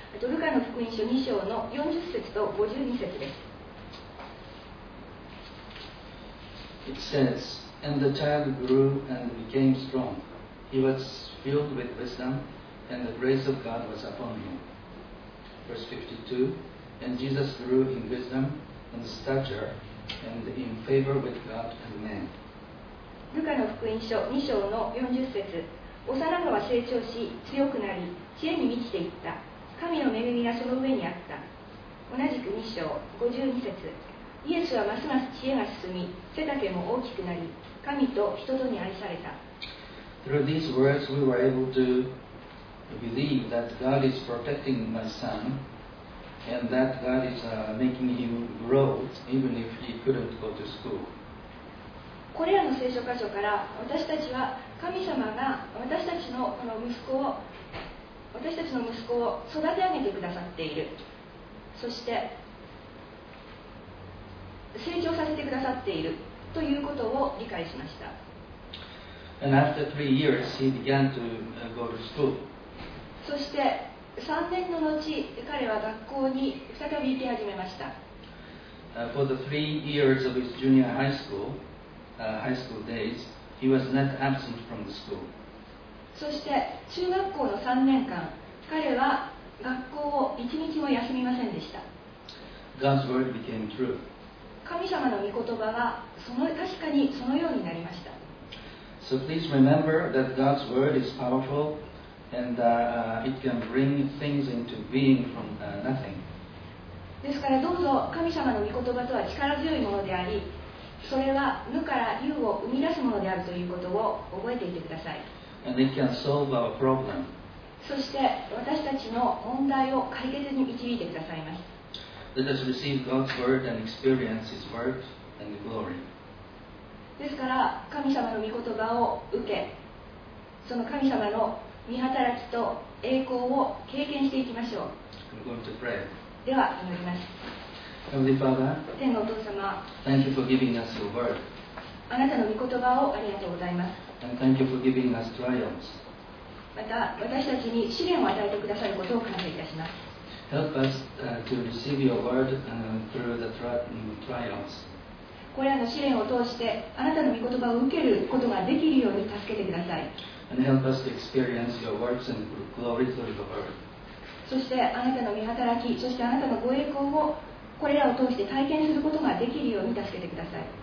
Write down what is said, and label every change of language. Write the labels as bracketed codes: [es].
[ja] ルカの福音書2章の40節と52節です。 [en] It says, And the child grew and became strong. He was filled with wisdom, and the grace of God was upon him. Verse 52, And Jesus grew in wisdom and stature. And in favor with God and man. [ja] ルカの福音書2章の40節。幼子は成長し強くなり知恵に満ちていった。神の恵みがその上にあった。同じく2章52節。イエスはますます知恵が進み背丈も大きくなり神と人とに愛された。 [en] Through these words we were able to believe that God is protecting my sonAnd that God is making him grow, even if he couldn't go to school. [ja] これらの聖書箇所から私たちは神様が私たちの息子を育て上げてくださっている。そして成長させてくださっているということを理解しました。 [en] And after 3 years, he began to go to school. [ja] そして3年の後、彼は学校に再び行き始めました。 [en] For the 3 years of his junior high school, high school days, he was not absent from the school. [ja] そして中学校の3年間、彼は学校を一日も休みませんでした。 [en] God's word became true. [ja] 神様の御言葉はその確かにそのようになりました。 [en] So please remember that God's word is powerful and it can bring things into being from nothing. [ja] ですからどうぞ神様の御言葉とは力強いものであり、それは無から有を生み出すものであるということを覚えていてください。 [en] And it can solve our problem. [ja] そして私たちの問題を解決に導いてくださいます。 [en] Let us receive God's word and experience His word and the glory. [ja] ですから神様の御言葉を受け、その神様の御働きと栄光を経験していきましょう。 [en] I'm going to pray. [ja] では祈ります。 [en] Heavenly Father, [ja] 天のお父様、 [en] Thank you for giving us your word. [ja] あなたの御言葉をありがとうございます。 [en] And thank you for giving us trials. [ja] また私たちに試練を与えてくださることを感謝いたします。 [en] Help us to receive your word through the trials. [ja] これらの試練を通してあなたの御言葉を受けることができるように助けてください。 [en] And help us to experience your works and glory through the word. [ja] そしてあなたの御働き、そしてあなたのご栄光をこれらを通して体験することができるように助けてください。